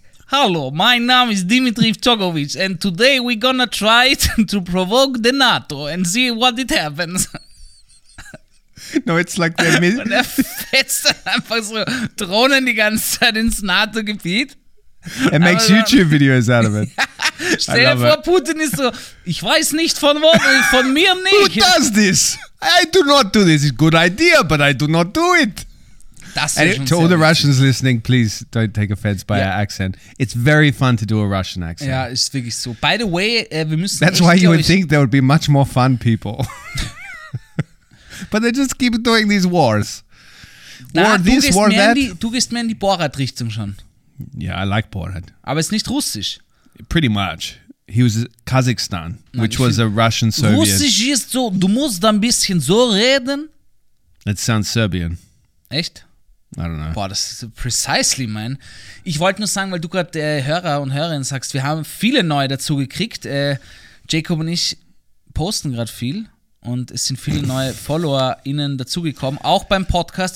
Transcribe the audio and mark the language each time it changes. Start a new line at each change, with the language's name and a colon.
German: Hallo, mein Name ist Dimitri Djokovic
English: and today we're gonna try to provoke the NATO and see what it happens. No, it's like they're
German: und er fetzt dann einfach so Drohnen die ganze Zeit ins NATO-Gebiet.
English: Er makes YouTube-Videos out of it.
German: Stell dir vor, Putin ist so, ich weiß nicht von wo, von mir nicht.
English: Who does this? I do not do this. It's a good idea, but I do not do it.
German: Das ist
English: to all the Russians listening, please don't take offense by our accent. It's very fun to do a Russian accent.
German: Ja, ist wirklich so.
English: By the way,
German: wir müssen...
English: That's why you would think there would be much more fun people. But they just keep doing these wars.
German: Du gehst mehr in die Borat-Richtung schon.
English: Yeah, I like Borat.
German: Aber es ist nicht russisch.
English: Pretty much. He was Kazakhstan, nein, which was a Russian Soviet.
German: Russisch ist so, du musst ein bisschen so reden.
English: It sounds Serbian.
German: Echt?
English: I don't know.
German: Boah, das ist precisely mein. Ich wollte nur sagen, weil du gerade Hörer und Hörerin sagst, wir haben viele neue dazu gekriegt. Jacob und ich posten gerade viel und es sind viele neue FollowerInnen dazugekommen, auch beim Podcast.